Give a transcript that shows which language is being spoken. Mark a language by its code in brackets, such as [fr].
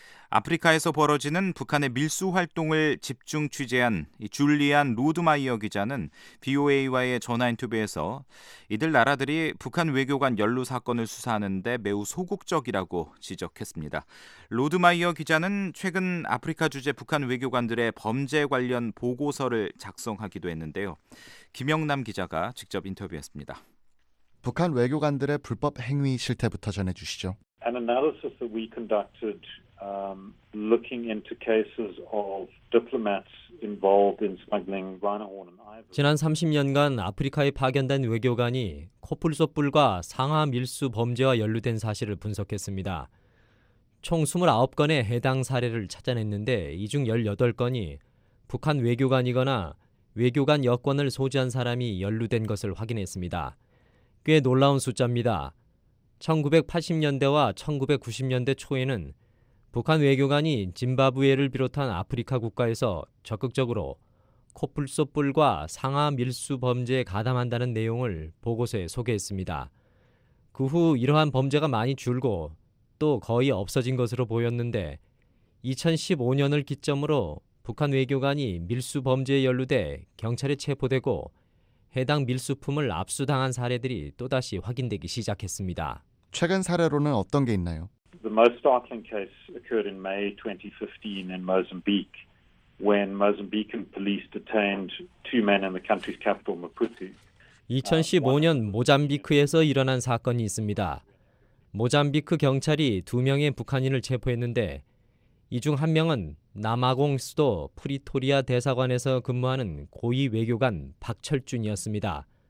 [ko] 아프리카에서 벌어지는 북한의 밀수 활동을 집중 취재한 줄리안 로드마이어 기자는 BOA와의 전화 인터뷰에서 이들 나라들이 북한 외교관 연루 사건을 수사하는데 매우 소극적이라고 지적했습니다. 로드마이어 기자는 최근 아프리카 주재 북한 외교관들의 범죄 관련 보고서를 작성하기도 했는데요. 김영남 기자가 직접 인터뷰했습니다. 북한 외교관들의 불법 행위 실태부터 전해주시죠. [en] An analysis that we conducted looking into cases of diplomats involved in smuggling rhino horn and ivory. [ko] 지난 30년간 아프리카에 파견된 외교관이 코뿔소뿔과 상하 밀수 범죄와 연루된 사실을 분석했습니다. 총 29건의 해당 사례를 찾아냈는데 이 중 18건이 북한 외교관이거나 외교관 여권을 소지한 사람이 연루된 것을 확인했습니다. 꽤 놀라운 숫자입니다. 1980년대와 1990년대 초에는 북한 외교관이 짐바브웨를 비롯한 아프리카 국가에서 적극적으로 코뿔소뿔과 상하 밀수 범죄에 가담한다는 내용을 보고서에 소개했습니다. 그 후 이러한 범죄가 많이 줄고 또 거의 없어진 것으로 보였는데 2015년을 기점으로 북한 외교관이 밀수 범죄에 연루돼 경찰에 체포되고 해당 밀수품을 압수당한 사례들이 또다시 확인되기 시작했습니다. 최근 사례로는 어떤 게 있나요? [en] The most startling case occurred in May 2015 in Mozambique when Mozambican police detained two men in the country's capital Maputo. [ko] 2015년 모잠비크에서 일어난 사건이 있습니다. 모잠비크 경찰이 두 명의 북한인을 체포했는데 이 중 한 명은 남아공 수도 프리토리아 대사관에서 근무하는 고위 외교관 박철준이었습니다.